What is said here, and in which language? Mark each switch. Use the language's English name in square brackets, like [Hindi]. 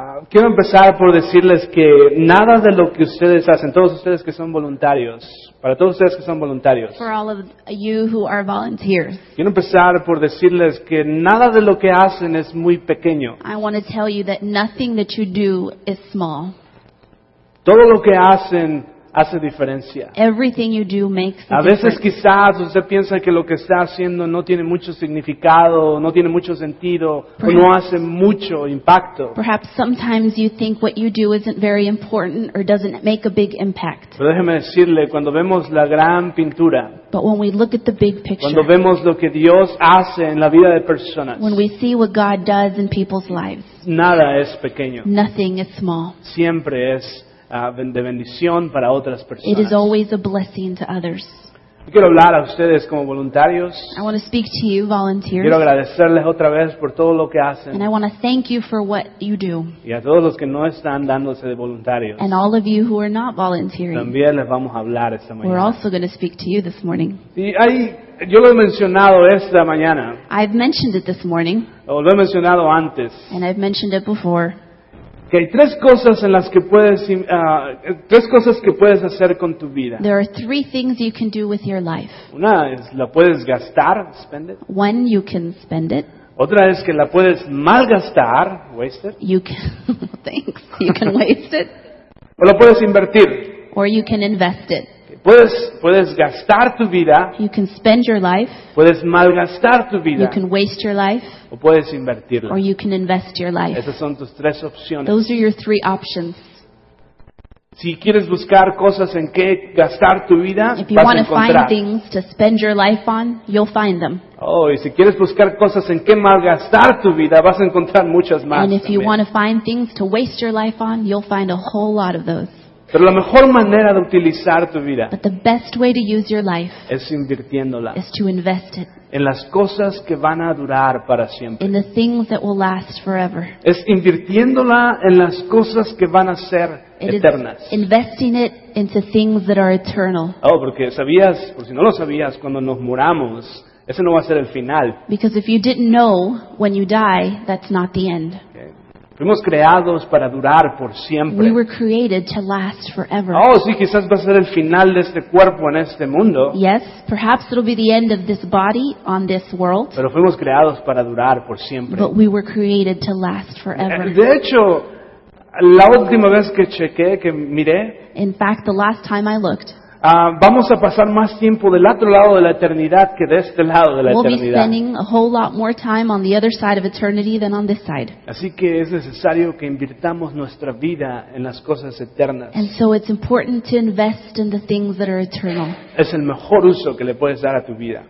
[Spanish] Quiero empezar por decirles que nada de lo que ustedes hacen, todos ustedes que son voluntarios, para todos ustedes que son voluntarios. [English] For all of you who are volunteers. [Spanish] Quiero empezar por decirles que nada de lo que hacen es muy pequeño. [English] I want to tell you that nothing that you do is small. [Spanish] Todo lo que hacen hace diferencia. [English] Everything you do makes [Spanish] a veces quizás usted piensa que lo que está haciendo no tiene mucho significado, no tiene mucho sentido, [English] perhaps, [Spanish] o no hace mucho impacto. [English] Perhaps sometimes you think what you do isn't very important or doesn't make a big impact. [Spanish] Pero déjeme decirle, cuando vemos la gran pintura, [English] but when we look at the big picture, [Spanish] cuando vemos lo que Dios hace en la vida de personas, [English] when we see what God does in people's lives, [Spanish] nada es pequeño. [English] Nothing is small. [Spanish] Siempre es de bendición para otras personas. [English] It is always a blessing to others. [Spanish] Quiero hablar a ustedes como voluntarios. [English] I want to speak to you, volunteers. [Spanish] Quiero agradecerles otra vez por todo lo que hacen. [English] And I want to thank you for what you do. [Spanish] Y a todos los que no están dándose de voluntarios. [English] And all of you who are not volunteering. [Spanish] También les vamos a hablar esta mañana. [English] We're also going to speak to you this morning. [Spanish] Y ahí, yo lo he mencionado esta mañana. [English] I've mentioned it this morning. [Spanish] O lo he mencionado antes. [English] And I've mentioned it before. [Spanish] Que hay tres cosas en las que puedes tres cosas que puedes hacer con tu vida. [English] There are three things you can do with your life. [Spanish] Una es la puedes gastar, [English] spend it. When you can spend it. [Spanish] Otra es que la puedes malgastar, [English] waste it. You can, thanks, you can waste it. [Spanish] O la puedes invertir. [English] Or you can invest it. [Spanish] Puedes gastar tu vida. [English] You can spend your life. [Spanish] Puedes malgastar tu vida. [English] You can waste your life. [Spanish] O puedes invertirla. [English] Or you can invest your life. [Spanish] Esas son tus tres opciones. [English] Those are your three options. [Spanish] Si quieres buscar cosas en qué gastar tu vida, [English] if you want to find things to spend your life on, you'll find them. [Spanish] Oh, y si quieres buscar cosas en qué malgastar tu vida, vas a encontrar muchas más. [English] And if you want to find things to waste your life on, you'll find a whole lot of those. [Spanish] Pero la mejor manera de utilizar tu vida, [English] but the best way to use your life, [Spanish] es invirtiéndola, [English] is to invest it, [Spanish] en las cosas que van a durar para siempre, [English] in the things that will last forever, [Spanish] es invirtiéndola en las cosas que van a ser eternas, [English] it is investing it into things that are eternal. [Spanish] Oh, porque sabías, por si no lo sabías, cuando nos muramos, ese no va a ser el final. [English] Because if you didn't know, when you die, that's not the end. [Spanish] Okay. Fuimos creados para durar por siempre. [English] We were created to last forever. [Spanish] Oh, sí, quizás va a ser el final de este cuerpo en este mundo. [English] Yes, perhaps it'll be the end of this body on this world. [Spanish] Pero fuimos creados para durar por siempre. [English] But we were created to last forever. [Spanish] De hecho, la última vez que chequé, que miré, [English] in fact, the last time I looked, [Spanish] Vamos a pasar más tiempo del otro lado de la eternidad que de este lado de la [English] we'll [Spanish] eternidad. [English] We'll be spending a whole lot more time on the other side of eternity than on this side. [Spanish] Así que es necesario que invirtamos nuestra vida en las cosas eternas. [English] And so it's important to invest in the things that are eternal. [Spanish] Es el mejor uso que le puedes dar a tu vida.